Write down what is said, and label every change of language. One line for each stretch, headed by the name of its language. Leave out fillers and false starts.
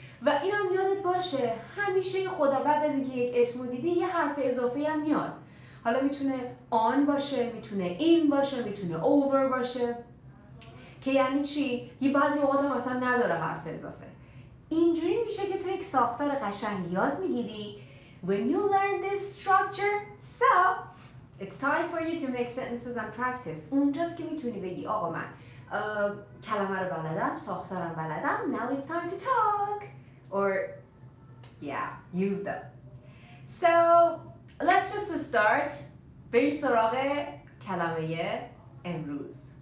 Persian: و اینم یادت باشه همیشه خدا بعد از اینکه یک اسمو دیدی یه حرف اضافه هم میاد. حالا میتونه آن باشه، میتونه این باشه، میتونه over باشه. که یعنی چی؟ یه بعضی اوقات هم اصلا نداره حرف اضافه. اینجوری میشه که تو یک ساختار قشنگ یاد میگیری.
English: When you learn this structure, so it's time for you to make sentences and practice.
Persian: اونجاست که میتونی بگی آقا من کلمه رو بلدم، ساختارم بلدم.
English: Now it's time to talk. Or, yeah, use them. So, let's just start.
Persian: بریم سراغ کلمه امروز.